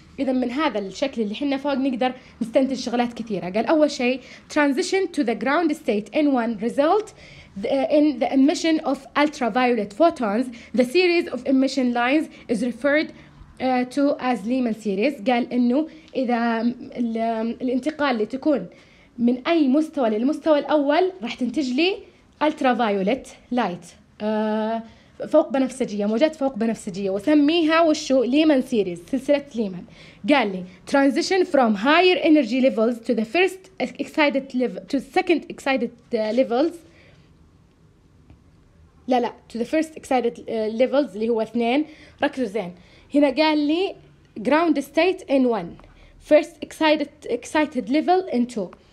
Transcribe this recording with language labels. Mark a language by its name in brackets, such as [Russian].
[Arabic] إذا من هذا الشكل اللي حنا فوق نقدر نستنتج شغلات كثيرة. قال أول شيء [English] transition to the ground state in one result in the emission of ultraviolet photons the series of emission lines is referred to as Lehmann series. [Arabic] قال إنه إذا الانتقال اللي تكون من أي مستوى للمستوى الأول راح تنتج لي [English] ultraviolet light [Arabic] فوق بنفسجية، موجات فوق بنفسجية، وسميها وشو ليمان سيريز، سلسلة ليمان. قال لي [English] transition from higher energy levels to the first excited level to the second excited levels [Arabic] لا [English] to the first excited levels [Arabic] اللي هو اثنين. ركزوا زين هنا، قال لي [English] ground state in one first excited level in two.